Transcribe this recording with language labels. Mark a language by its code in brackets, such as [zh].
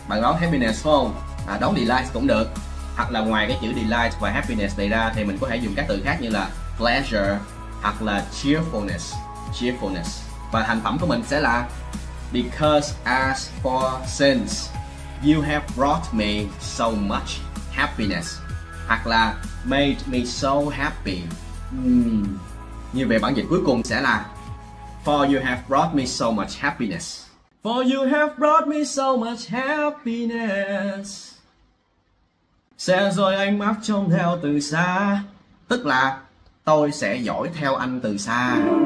[vi] Bạn đoán happiness phải không? À, đoán delight cũng được. Hoặc là ngoài cái chữ delight và happiness này ra thì mình có thể dùng các từ khác như là pleasure hoặc là cheerfulness. Và thành phẩm của mình sẽ là [en] Because as for since, you have brought me so much happiness. [vi] Hoặc là [en] made me so happy. [vi] Như vậy bản dịch cuối cùng sẽ là [en] For you have brought me so much happiness. For you have brought me so much happiness. [vi] Sẽ rồi anh mắt trông theo từ xa. Tức là tôi sẽ dõi theo anh từ xa.